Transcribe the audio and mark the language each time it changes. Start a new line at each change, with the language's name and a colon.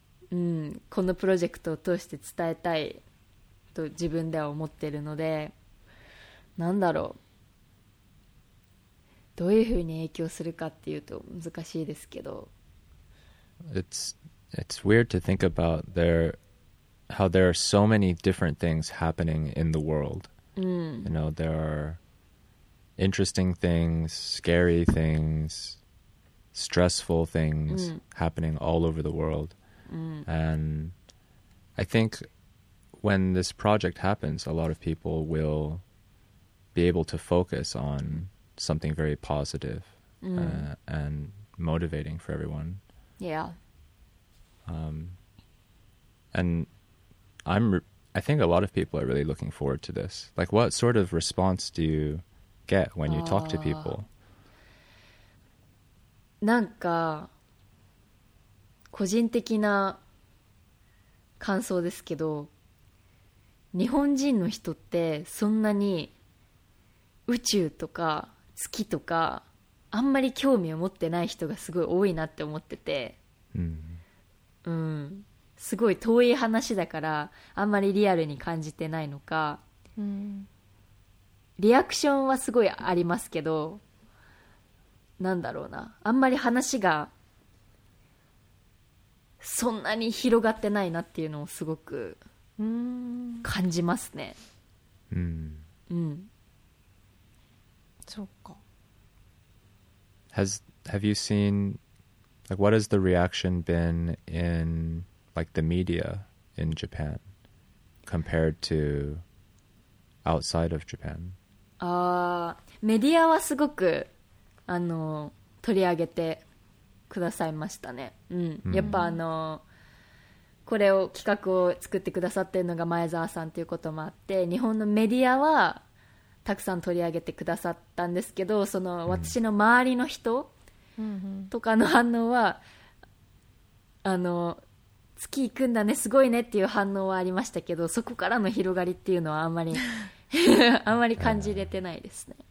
Japanese: うん、このプロジェクトを通して伝えたいと自分では思ってるのでなんだろうどういうふうに影響するかっていうと難しいですけど
English: It's weird to think about how there are so many different things happening in the world. Mm. You know, there are interesting things, scary things, stressful things happening all over the world. Mm. And I think when this project happens, a lot of people will be able to focus on something very positive and motivating for everyone. Yeah. And I think a lot of people are really looking forward to this. Like, what sort of response do you get when you talk to people?
Japanese: なんか個人的な感想ですけど、日本人の人ってそんなに宇宙とか月とかあんまり興味を持ってない人がすごい多いなって思ってて、うん、うん、すごい遠い話だからあんまりリアルに感じてないのか、うん、リアクションはすごいありますけど、なんだろうな、あんまり話がそんなに広がってないなっていうのをすごく感じますね。うん、うん、そうか。
English: Have you seen, like, what has the reaction been in, like, the media in Japan compared to outside of Japan?
Japanese: メディアはすごく、あの、取り上げてくださいましたね。うん。やっぱ、あの、これを、企画を作ってくださってるのが前澤さんということもあって、日本のメディアは、たくさん取り上げてくださったんですけど、その私の周りの人とかの反応は、あの、月行くんだね、すごいねっていう反応はありましたけど、そこからの広がりっていうのはあんまりあんまり感じれてないですね。